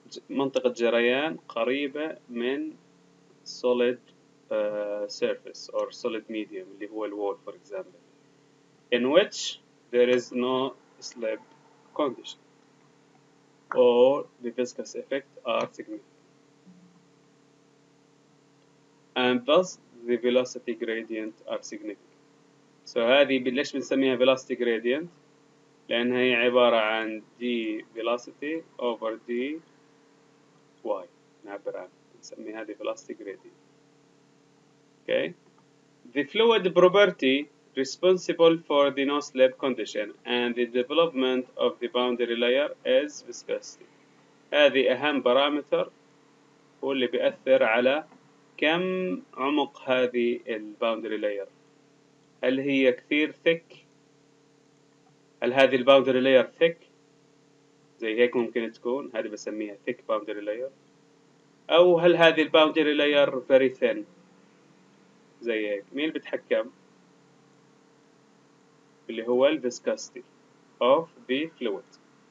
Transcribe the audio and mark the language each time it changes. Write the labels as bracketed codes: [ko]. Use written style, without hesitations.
[ar] منطقة جريان قريبة من [en] solid surface or solid medium [ar] اللي هو [en] wall for example in which there is no slip condition or the viscous effect are significant and thus the velocity gradient are significant. [ar] So هذه ليش بنسميها velocity gradient؟ لأنها هي عبارة عن d velocity over d y. نعبر عنها نسميها [en] the velocity gradient. Okay. The fluid property responsible for the no slip condition and the development of the boundary layer is viscosity. [ar] هذه أهم بارامتر هو اللي بيأثر على كم عمق هذه الباوندري لاير؟ هل هي كثير thick؟ هل هذه الباوندري لاير thick؟ زي هيك ممكن تكون هذه بسميها thick boundary layer أو هل هذه الباوندري لاير very thin؟ زي هيك مين بتحكم؟ اللي هو ال viscosity of the fluid.